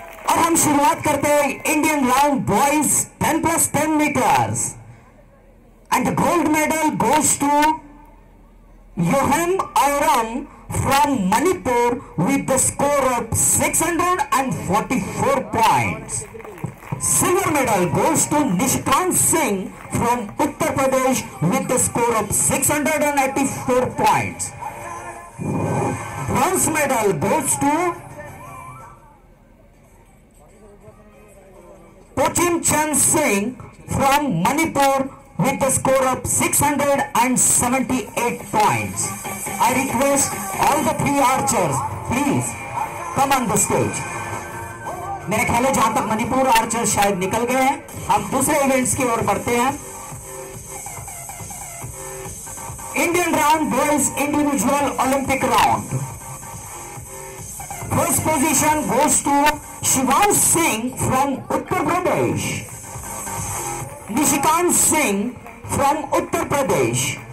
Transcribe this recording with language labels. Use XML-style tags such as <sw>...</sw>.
<hi>और हम शुरुआत करते हैं</hi> <en>Indian round boys 10+10 meters. And gold medal goes to Yoham Aurang from Manipur with the score of 644 points. Silver medal goes to Nishkant Singh from Uttar Pradesh with a score of 684 points. Bronze medal goes to Pochim Chan Singh from Manipur with a score of 678 points. I request all the three archers, please come on the stage.</en> <hi>मेरे ख्याल है जहां तक Manipur Archer शायद निकल गए हैं, हम दूसरे इवेंट्स की ओर बढ़ते हैं.</hi> <en>Indian round boys individual Olympic round. First position goes to Shivansh Singh from Uttar Pradesh, Nishikant Singh from Uttar Pradesh.</en>